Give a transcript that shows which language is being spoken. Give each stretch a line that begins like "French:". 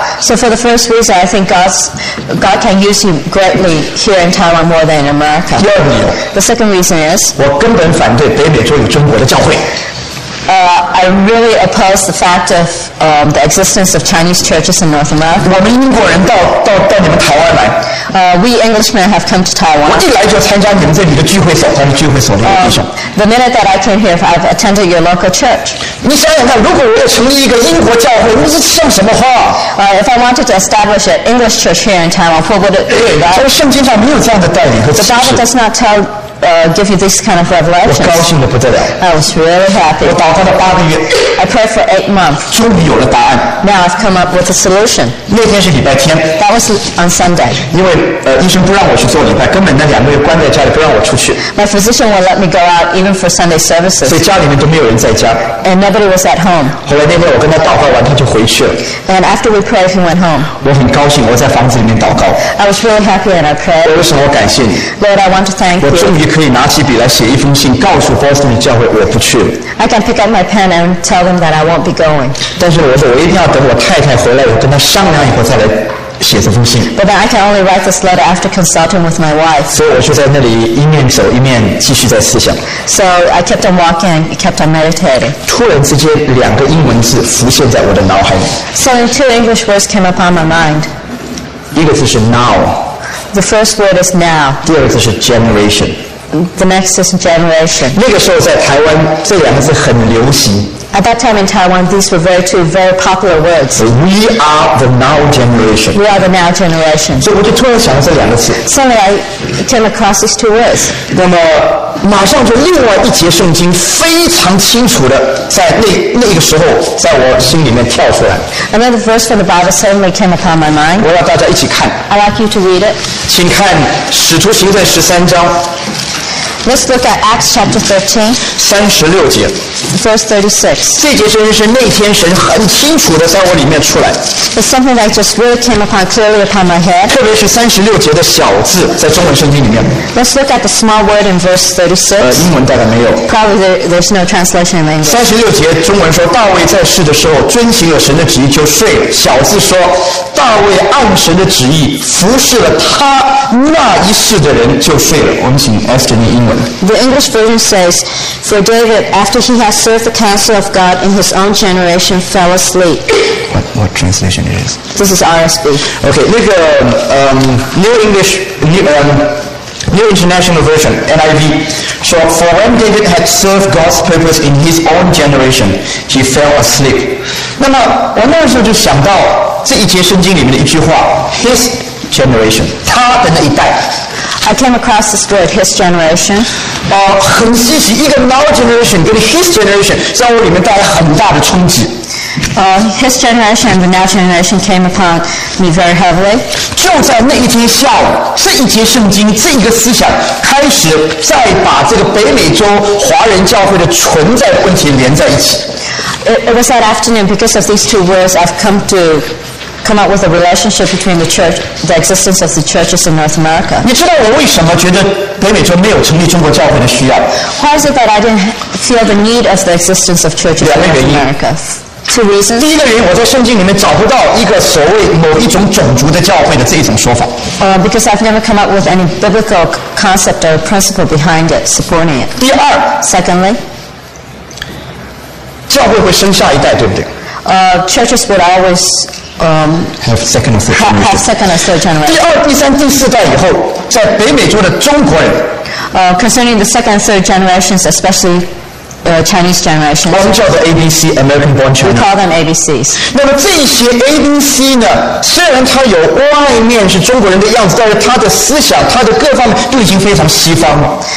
English: So for the first reason, I think God can use you greatly here in Taiwan more than in America.
Chinese: 第二个理由,
English: the second reason is
Chinese: 我根本反对北美洲有中国的教会。
English: I really oppose the fact of the existence of Chinese churches in North America.
Chinese: 我们英国人到你们台湾来。
English: We Englishmen have come to Taiwan.
Chinese: 我一来就参加你们这里的聚会所，他们聚会所的弟兄。
English: The minute that I came here, I've attended your local church.
Chinese: 你想想看，如果我要成立一个英国教会，那是像什么话？
English: If I wanted to establish an English church here in Taiwan, what would it be like?
Chinese: 所以圣经上没有这样的带领和启示。
English: The Bible does not tell. Give you this kind of revelation. I was really happy. I prayed for 8 months. Now I've come up with a solution. That was on Sunday.
Chinese: 因为医生不让我去做礼拜，根本那两个月关在家里不让我出去。
English: My physician won't let me go out even for Sunday services.
Chinese: 所以家里面都没有人在家。
English: And nobody was at home.
Chinese: 后来那天我跟他祷告完，他就回去了。
English: And after we prayed, he went home.
Chinese: 我很高兴，我在房子里面祷告。
English: I was really happy and I prayed.
Chinese: 为什么我感谢你？
English: Lord, I want to thank you.
Chinese: 可以拿起笔来写一封信，告诉 Boston 教会我不去了。
English: I can pick up my pen and tell them that I won't be going.
Chinese: 但是我说我一定要等我太太回来，我跟她商量以后再来写这封信。
English: But then I can only write this letter after consulting with my wife.
Chinese: 所以我就在那里一面走一面继续在思想。
English: So I kept on walking, kept on meditating.
Chinese: 突然之间，两个英文字浮现在我的脑海里。
English: So two English words came upon my mind.
Chinese: 一个字是 now.
English: The first word is now.
Chinese: 第二个字是 generation.
English: The next is generation.
Chinese: 那个时候在台湾，这两个字很流行。
English: At that time in Taiwan, these were two very popular words. We are the now generation. We are the now generation.
Chinese: 所以我就突然想到这两个词。
English: Suddenly, I came across these two words.
Chinese: 那么，马上就另外一节圣经非常清楚的在那个时候，在我心里面跳出来。
English: Another verse from the Bible suddenly came upon my mind.
Chinese: 我要大家一起看。
English: I'd like you to read it.
Chinese: 请看《使徒行传》13章。
English: Let's look at Acts chapter 13.
Chinese: 36节.
English: Verse 36.
Chinese: 这节圣经是那天神很清楚的在我里面出来.
English: It's something that just really came upon clearly upon my head.
Chinese: 特别是36节的小字在中文圣经里面.
English: Let's look at the small word in verse 36.
Chinese: 英文大概没有.
English: Probably there's no translation in English.
Chinese: 36节中文说大卫在世的时候遵行了神的旨意就睡，小字说大卫按神的旨意服侍了他那一世的人就睡了。我们请Esther念英文。
English: The English version says, for David, after he has served the counsel of God in his own generation, fell asleep. What translation is this? This is RSB. Okay, New International Version, NIV. So, for when David had served God's purpose in his own generation, he fell asleep.
Chinese: 那么我那时候就想到这一节圣经里面的一句话,
English: his generation,
Chinese: 他的那一代。
English: I came across this word, his generation.
Chinese: 很稀奇, 一个
English: now generation
Chinese: 跟
English: his generation
Chinese: 在我里面带来很大的冲击。
English: His generation and the now generation came upon me very heavily.
Chinese: 就在那一天下午，这一节圣经，这一个思想开始再把这个北美洲华人教会的存在问题连在一起。
English: It was that afternoon because of these two words I've come up with a relationship between the church, the existence of the churches in North America.
Chinese: 你知道我为什么觉得北美洲没有成立中国教会的需要？
English: Why is it that I didn't feel the need of the existence of churches in North America? to reason.
Chinese: 第一个原因，我在圣经里面找不到一个所谓某一种种族的教会的这一种说法。
English: Because I've never come up with any biblical concept or principle behind it supporting it.
Chinese: 第二
English: ，secondly，
Chinese: 教会会生下一代，对不对？
English: Churches would always have second or third generation. Have second or third generation.
Chinese: 第二、第三、第四代以后，在北美洲的中国人。
English: Concerning the second and third generations, especially Chinese generations.
Chinese: 我们叫做
English: ABC, American born China. We call them ABCs.
Chinese: 那么这些 ABC 呢，虽然它有外面是中国人的样子，但是它的思想，它的各方面都已经非常西方了。